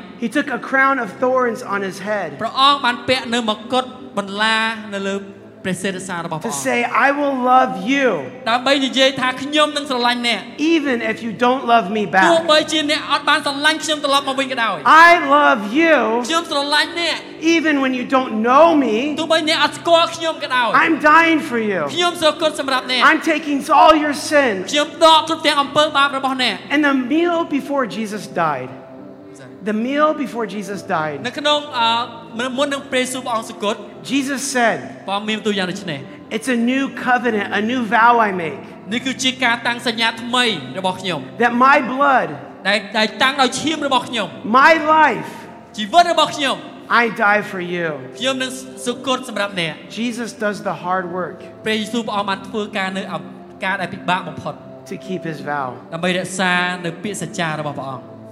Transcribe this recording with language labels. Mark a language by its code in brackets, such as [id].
[en] He took a crown of thorns on his head. [km] ព្រះអង្គបានពាក់នៅមកុដបន្លានៅលើព្រះសិរសារបស់ព្រះអង្គ [en] To say I will love you. [km] ដើម្បីនិយាយថាខ្ញុំនឹងស្រឡាញ់អ្នក [en] Even if you don't love me back. [km] ទោះបីជាអ្នកអត់បានស្រឡាញ់ខ្ញុំត្រឡប់មកវិញក៏ដោយ [en] I love you. [km] ខ្ញុំស្រឡាញ់អ្នក [en] Even when you don't know me. [km] ទោះបីអ្នកអត់ស្គាល់ខ្ញុំក៏ដោយ [en] I'm dying for you. [km] ខ្ញុំសូមគុណសម្រាប់អ្នក [en] I'm taking all your sin. [km] ខ្ញុំដកគ្រប់ទាំងអំពើបាបរបស់អ្នក [en] And the meal before Jesus died. The meal before Jesus died. [km] នៅក្នុងមុននឹងព្រះយេស៊ូវព្រះអង្គសគត [en] Jesus said [km] បងមានទូយ៉ាងដូចនេះ [en] It's a new covenant, a new vow I make. [km] នេះគឺជាការតាំងសញ្ញាថ្មីរបស់ខ្ញុំ [en] That my blood [km] ដែលតាំងដោយឈាមរបស់ខ្ញុំ [en] My life [km] ជីវិតរបស់ខ្ញុំ [en] I die for you. [km] ខ្ញុំនឹងសគត់សម្រាប់អ្នក [en] Jesus does the hard work. [km] ព្រះយេស៊ូវព្រះអង្គបានធ្វើការនៅការដែលពិបាកបំផុត [en] To keep his vow. [km] ដើម្បីរក្សានៅពាក្យសច្ចារបស់ព្រះអង្គ